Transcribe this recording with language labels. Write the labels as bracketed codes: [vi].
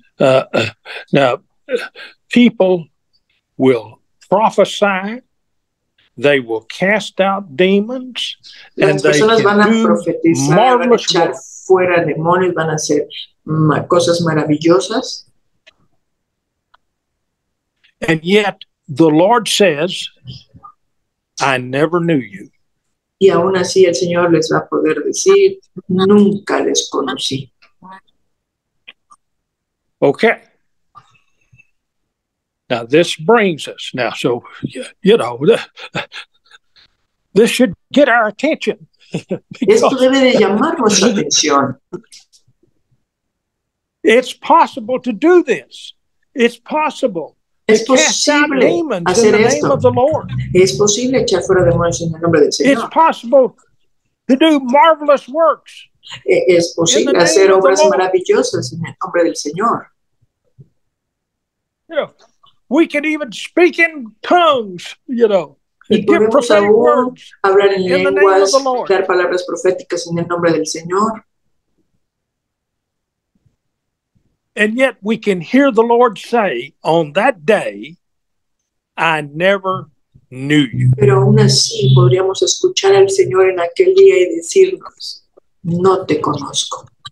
[en] Now, people will prophesy, they will cast out demons, and they can do marvelous work. [es] Van a echar fuera demonios, van a hacer cosas maravillosas. [en] And yet, the Lord says, I never knew you. [es] Y aún así el Señor les va a poder decir, nunca les conocí. [en] Okay. Now, this brings us, now, so, you know, this should get our attention. [es] Esto debe de llamar nuestra atención. [en] It's possible to do this. It's possible. [es] Es posible hacer esto. Es posible echar fuera demonios en el nombre del Señor. [en] It's possible to do marvelous works. [es] Es posible hacer obras maravillosas en el nombre del Señor. [en] We can even speak in tongues, you know. [es] Y podemos aún hablar en lenguas, dar palabras proféticas en el nombre del Señor. [en] And yet we can hear the Lord say on that day, I never knew you. [es] Pero aún así podríamos escuchar al Señor en aquel día y decirnos, no te conozco.